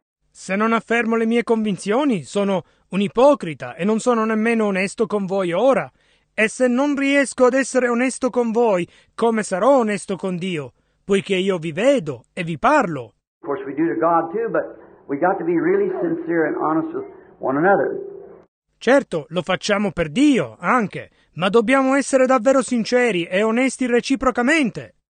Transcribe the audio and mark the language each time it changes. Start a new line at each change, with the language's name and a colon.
Italian: Se non affermo le mie convinzioni, sono un ipocrita e non sono nemmeno onesto con voi ora. E se non riesco ad essere onesto con voi, come sarò onesto con Dio? Poiché io vi vedo e vi parlo.
English: Of course we do to God too, but we got to be really sincere and honest with one another.
Italian: Certo, lo facciamo per Dio anche, ma dobbiamo essere davvero sinceri e onesti reciprocamente.